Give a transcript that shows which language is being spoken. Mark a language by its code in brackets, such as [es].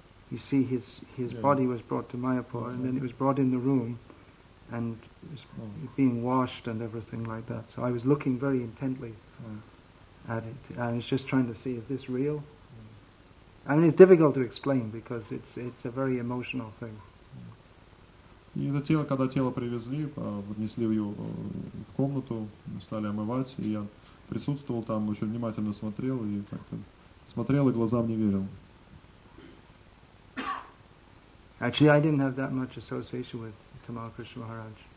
[en] You see, his body was brought to Mayapur, and then it was brought in the room, and it was being washed and everything like that. So I was looking very intently at it. I was just trying to see, is this real? I mean, it's difficult to explain because it's a very emotional thing. [ru] И это тело, когда тело привезли, внесли его в комнату, стали омывать, и я присутствовал там, очень внимательно смотрел и как-то смотрел и глазам не верил. [en] Actually, I didn't have that much association with Tamal Krishna Maharaj.